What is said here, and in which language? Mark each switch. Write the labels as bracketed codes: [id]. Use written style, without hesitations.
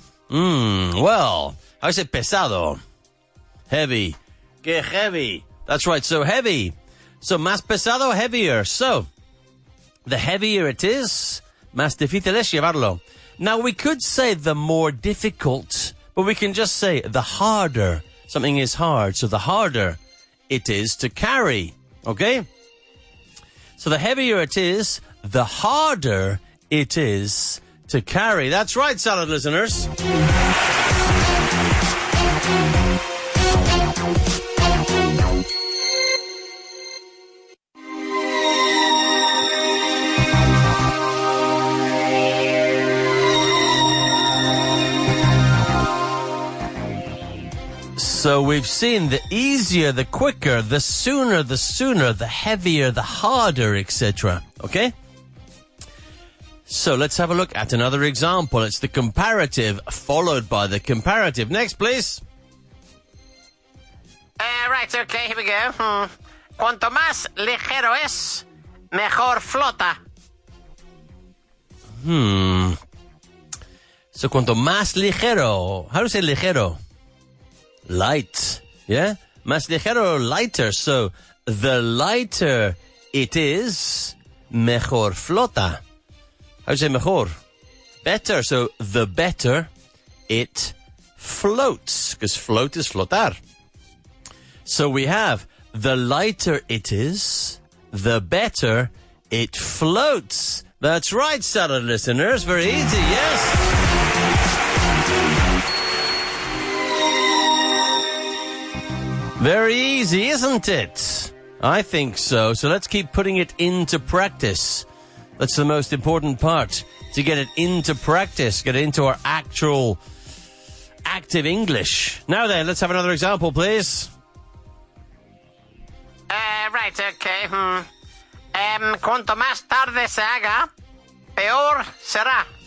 [en] Well, how is it pesado? Heavy. Qué heavy. That's right, so heavy. So [es] más pesado, [en] heavier. So, the heavier it is, [es] más difícil es llevarlo. [en] Now, we could say the more difficult, but we can just say the harder. Something is hard, so the harder it is to carry, okay? So the heavier it is, the harder it is to carry. That's right, salad listeners. So we've seen the easier, the quicker, the sooner, the heavier, the harder, etc. Okay? So let's have a look at another example. It's the comparative followed by the comparative. Next, please. Right, okay, here we go. [es] Cuanto más ligero es, mejor flota. [en] So [es] cuanto más ligero, [en] how do you say ligero? Light, yeah? [es] Más ligero [en] or lighter? So, the lighter it is, [es] mejor flota. [en] How do you say mejor? Better, so the better it floats, because float is flotar. So we have, the lighter it is, the better it floats. That's right, salad listeners, very easy, yes. Very easy, isn't it? I think so. So let's keep putting it into practice. That's the most important part, to get it into practice, get it into our actual active English. Now then, let's have another example, please. Right, okay. [es] Cuanto más tarde se haga, peor será.